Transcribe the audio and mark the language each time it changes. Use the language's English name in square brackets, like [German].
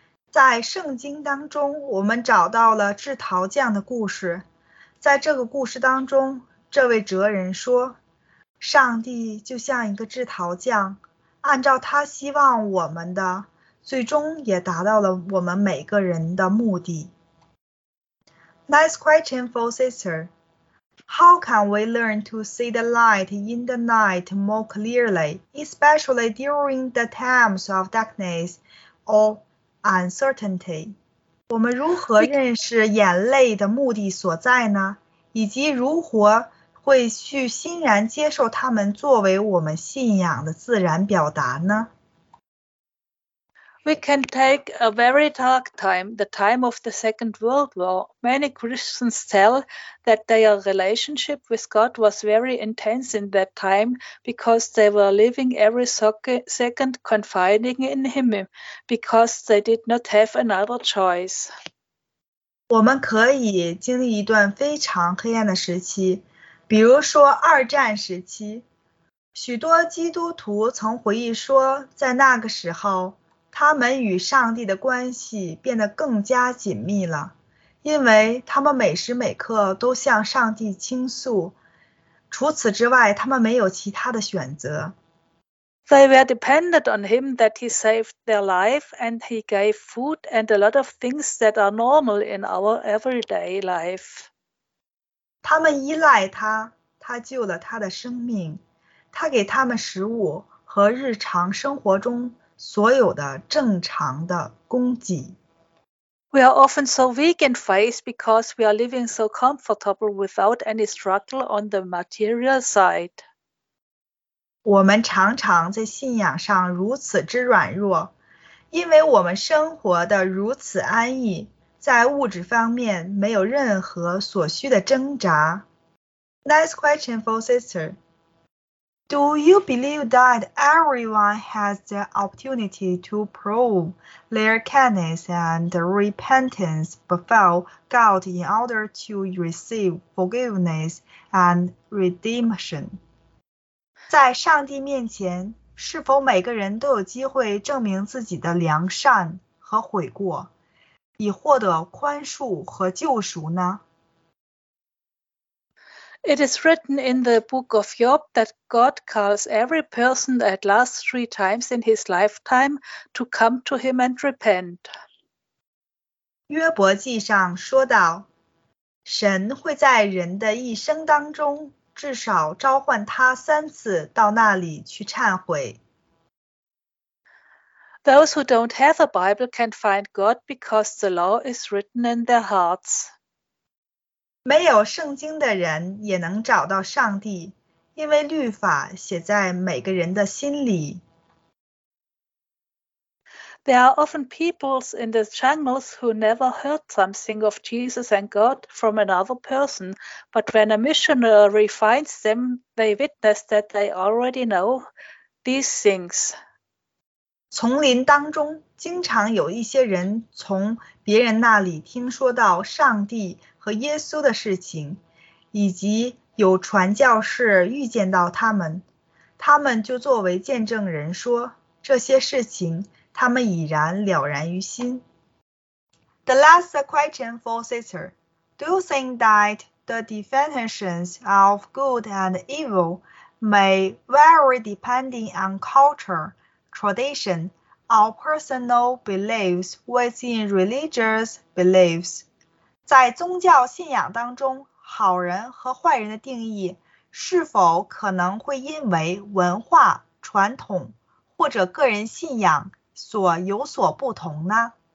[Chinese] 在圣经当中，我们找到了制陶匠的故事。在这个故事当中，这位哲人说，上帝就像一个制陶匠，按照他希望我们的，最终也达到了我们每个人的目的。 [English] Nice question for sister. How can we learn to see the light in the night more clearly, especially during the times of darkness or uncertainty? [Chinese] 我们如何认识眼泪的目的所在呢？以及如何会去欣然接受它们作为我们信仰的自然表达呢？ [English] We can take a very dark time, the time of the Second World War. Many Christians tell that their relationship with God was very intense in that time because they were living every second confiding in Him because they did not have another choice. [Chinese] 我们可以经历一段非常黑暗的时期，比如说二战时期。许多基督徒曾回忆说，在那个时候他们与上帝的关系变得更加紧密了，因为他们每时每刻都向上帝倾诉，除此之外，他们没有其他的选择。 [English] They were dependent on him that he saved their life and he gave food and a lot of things that are normal in our everyday life. [Chinese] 他们依赖他，他救了他的生命，他给他们食物和日常生活中所有的正常的供给。 [English] We are often so weak in faith because we are living so comfortable without any struggle on the material side. [Chinese] 我们常常在信仰上如此之软弱，因为我们生活的如此安逸，在物质方面没有任何所需的挣扎。 [English] Nice question for sister. Do you believe that everyone has the opportunity to prove their kindness and repentance before God in order to receive forgiveness and redemption? [Chinese] 在上帝面前，是否每个人都有机会证明自己的良善和悔过，以获得宽恕和救赎呢？ [English] It is written in the book of Job that God calls every person at last three times in his lifetime to come to him and repent. [Chinese] 约伯记上说道，神会在人的一生当中至少召唤他三次到那里去忏悔。 [English] Those who don't have a Bible can find God because the law is written in their hearts. [Chinese] 没有圣经的人也能找到上帝，因为律法写在每个人的心里。 [English] There are often peoples in the jungles who never heard something of Jesus and God from another person, but when a missionary finds them, they witness that they already know these things. [Chinese] 丛林当中经常有一些人从别人那里听说到上帝和耶稣的事情，以及有传教士遇见到他们，他们就作为见证人说这些事情，他们已然了然于心。 [English] The last question for sister, do you think that the definitions of good and evil may vary depending on culture, tradition, or personal beliefs within religious beliefs? [Chinese] 在宗教信仰当中，好人和坏人的定义是否可能会因为文化、传统或者个人信仰所有所不同呢？